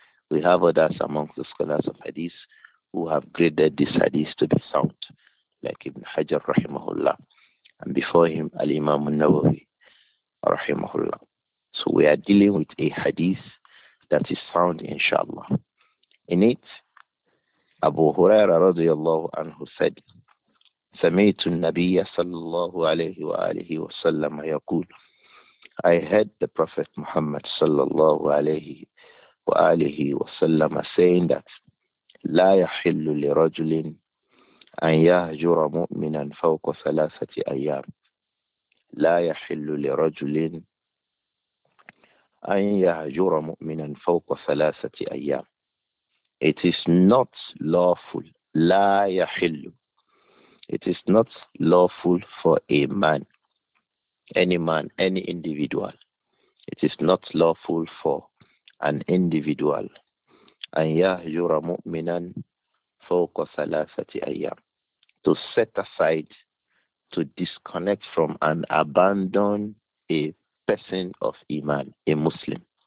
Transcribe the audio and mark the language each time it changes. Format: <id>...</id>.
<en>We have others amongst the scholars of hadith who have graded this hadith to be sound, like Ibn Hajar, rahimahullah, and before him, Al-Imam al-Nawawi, rahimahullah. So we are dealing with a hadith that is sound, inshallah. In it, Abu Huraira radiallahu anhu said,</en> <ar>سمعت النبي صلى الله عليه وآله وسلم يقول</ar> <en>I heard the Prophet Muhammad</en> <ar>صلى الله عليه وآله وسلم</ar> <en>saying that</en> <ar>لا يحل لرجل أن يهجر مؤمنا فوق ثلاثة أيام لا يحل لرجل أن يهجر مؤمنا فوق ثلاثة أيام</ar> <en>It is not lawful</en> <ar>لا يحل</ar> <en>It is not lawful for a man, any individual. It is not lawful for an individual.</en> <ar>أَنْ يَهْجُرَ مُؤْمِنًا فَوْقَ ثَلَاثَةِ أَيَّامٍ</ar> <en>to set aside, to disconnect from and abandon a person of Iman, a Muslim.</en>